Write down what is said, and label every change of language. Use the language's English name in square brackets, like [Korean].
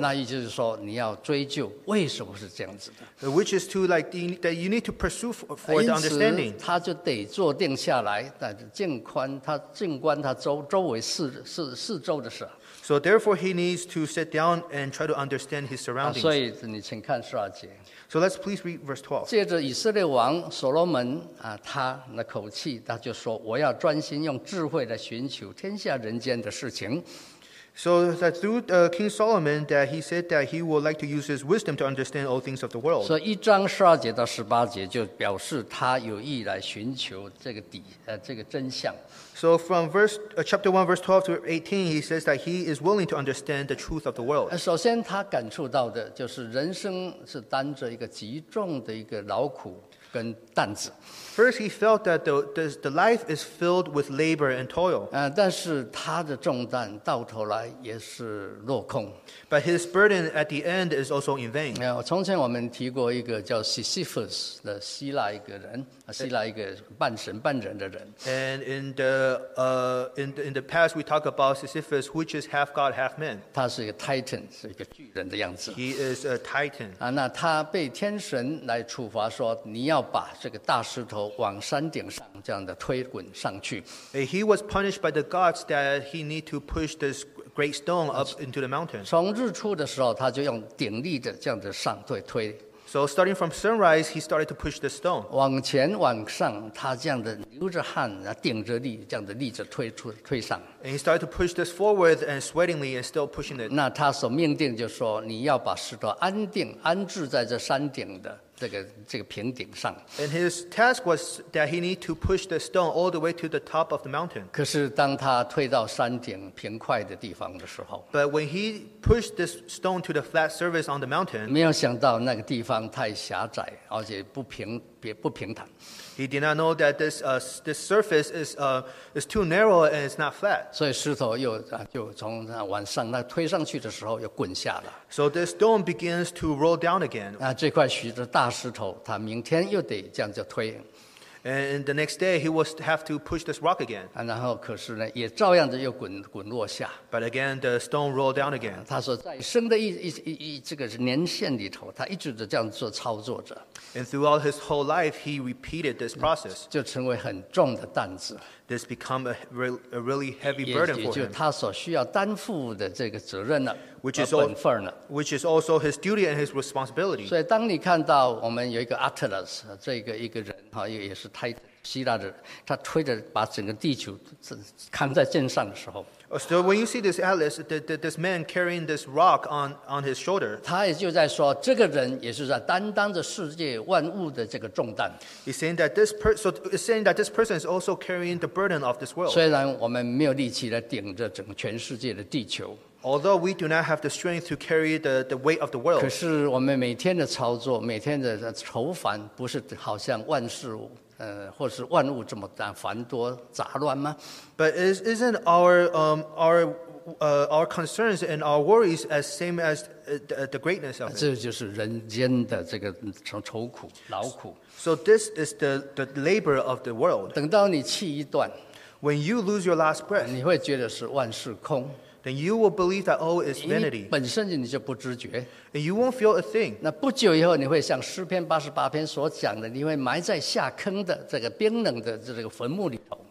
[Chinese] 那也就是说，你要追究为什么是这样子的。 [English] Which is to like that you need to pursue for the understanding. [Chinese] 因此，他就得坐定下来，但是静观他周围四周的事。 [English] So therefore, he needs to sit down and try to understand his surroundings. [Chinese] 所以你请看十二节。 [English] So let's please read verse 12. [Chinese] 借着以色列王所罗门啊，他那口气，他就说：“我要专心用智慧来寻求天下人间的事情。” [English] So that through King Solomon, that he said that he would like to use his wisdom to understand all things of the world. [Chinese] 所以一章十二节到十八节就表示他有意来寻求这个真相。 [English] So from chapter 1, verse 12 to 18, he says that he is willing to understand the truth of the world. [Chinese] 首先他感触到的就是人生是担着一个极重的一个劳苦跟担子。 [English] First, he felt that the life is filled with labor and toil. [Chinese] 但是他的重担到头来也是落空。 [English] But his burden at the end is also in vain. [Chinese] 从前我们提过一个叫 Sisyphus 的希腊一个人，希腊一个半神半人的人。 [English] And in the past, we talk about Sisyphus, which is half God, half man. [Chinese] 他是一个 Titan， 是一个巨人的样子。 [English] He is a Titan. [Chinese] 那他被天神来处罚说，你要把这个大石头往山顶上这样的推滚上去。 [English] He was punished by the gods that he need to push this great stone up into the mountain. [Chinese] 从日出的时候，他就用鼎力的这样子上推。 [English] So starting from sunrise, he started to push the stone. [Chinese] 往前往上，他这样的流着汗，顶着力，这样的力着推上。 [English] And he started to push this forward and sweatingly and still pushing it. [Chinese] 那他所命定就说，你要把石头安置在这山顶的。这个平顶上。 [English] And his task was that he need to push the stone all the way to the top of the mountain. [Chinese] 可是当他推到山顶平快的地方的时候， [English] But when he pushed this stone to the flat surface on the mountain, [Chinese] 没有想到那个地方太狭窄，而且不平坦。 [English] He did not know that this surface is too narrow and it's not flat. [Chinese] 所以石头又就从往上那推上去的时候又滚下了。 [English] So the stone begins to roll down again. [Chinese] 那这块许多大石头，他明天又得这样子推。 [English] And the next day he will have to push this rock again. [Chinese] 然后可是呢，也照样的又滚落下。 [English] But again the stone rolled down again. [Chinese] 他说在生的一这个年限里头，他一直的这样做操作着。 [English] And throughout his whole life, he repeated this process. [Chinese] 就成为很重的担子。 [English] This become a really heavy burden for him. [Chinese] 也就是他所需要担负的这个责任了。 [English] Which is all, which is also his duty and his responsibility. [Chinese] 所以当你看到我们有一个 Atlas 这个一个人也是太希腊的，他推着把整个地球扛在肩上的时候。 [English] So when you see this Atlas, this man carrying this rock on his shoulder, [Chinese] 他也就在说，这个人也是在担当着世界万物的这个重担。 [English] He's saying that this person is also carrying the burden of this world. [Chinese] 虽然我们没有力气来顶着整个全世界的地球。 [English] Although we do not have the strength to carry the weight of the world, [Chinese] 可是我们每天的操作，每天的愁烦，不是好像万事物，或是万物这么繁多杂乱吗？ [English] But isn't our concerns and our worries as same as the greatness of it? [Chinese] 这就是人间的这个愁苦劳苦。 [English] So this is the labor of the world. [Chinese] 等到你气一断， [English] when you lose your last breath, [Chinese] 你会觉得是万事空。 [English] Then you will believe that all is vanity. [Chinese] 本身你就不知觉。 [English] And you won't feel a thing. [Chinese] 那不久以后你会像诗篇八十八篇所讲的，你会埋在下坑的这个冰冷的这个坟墓里头。